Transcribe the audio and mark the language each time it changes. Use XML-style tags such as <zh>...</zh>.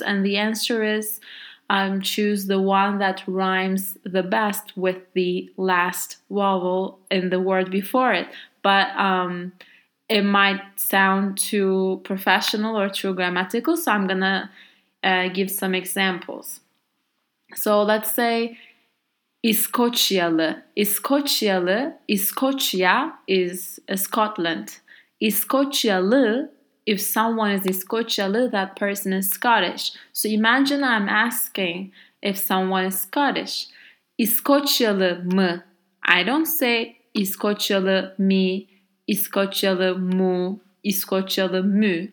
<en>And the answer is, choose the one that rhymes the best with the last vowel in the word before it. But it might sound too professional or too grammatical, so I'm gonna give some examples. So let's say İskoçyalı. İskoçyalı, İskoçya is Scotland. İskoçyalı, if someone is İskoçyalı, that person is Scottish. So imagine I'm asking if someone is Scottish.</en> <tr>İskoçyalı mı?</tr> <en>I don't say</en> <tr>İskoçyalı mi, İskoçyalı mu, İskoçyalı mü.</tr>